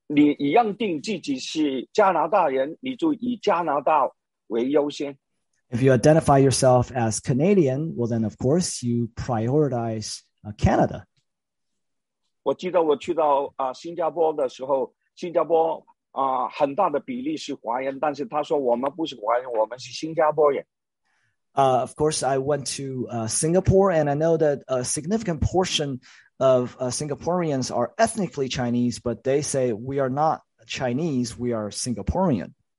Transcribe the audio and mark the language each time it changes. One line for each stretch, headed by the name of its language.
Chinese: 如果你认定自己是加拿大人, 你就以加拿大为优先。
English: If you identify yourself as Canadian, well, then, of course, you prioritize Canada.
Chinese: 我记得我去到新加坡的时候, 新加坡很大的比例是华人, 但是他说我们不是华人, 我们是新加坡人。
English: Of course, I went to Singapore, and I know that a significant portion of Singaporeans are ethnically Chinese, but they say, we are not Chinese, we are Singaporean.